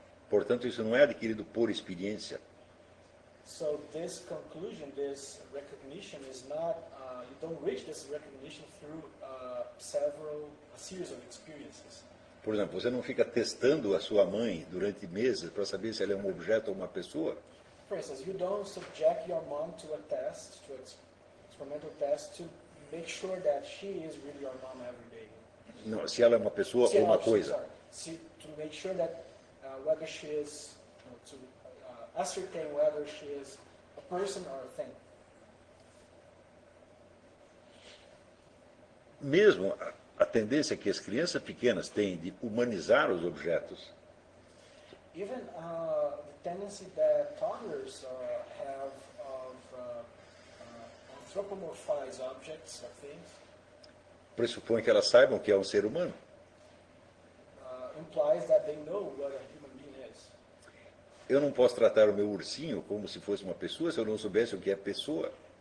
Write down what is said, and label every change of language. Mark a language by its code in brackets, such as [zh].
[pt] Portanto, isso não é adquirido por experiência. [en] So this conclusion, this recognition is not, you don't reach this recognition through a series of experiences. [pt] Por exemplo, você não fica testando a sua mãe durante meses para saber se ela é um objeto ou uma pessoa? [en] For instance, you don't subject your mom to a test, to an experimental test, to make sure that she is really your mom every day. [pt] Não, se ela é uma pessoa ou uma coisa. [en] Sorry. To make sure that whether she is, you know, ascertain whether she is a person or a thing. [pt] Mesmo a tendência que as crianças pequenas têm de humanizar os objetos. [en] Even the tendency that toddlers have of anthropomorphize objects or things. [pt] Pressupõe que elas saibam que é um ser humano. [en] Implies that they know what a human being is. [pt] Eu não posso tratar o meu ursinho como se fosse uma pessoa se eu não soubesse o que é pessoa.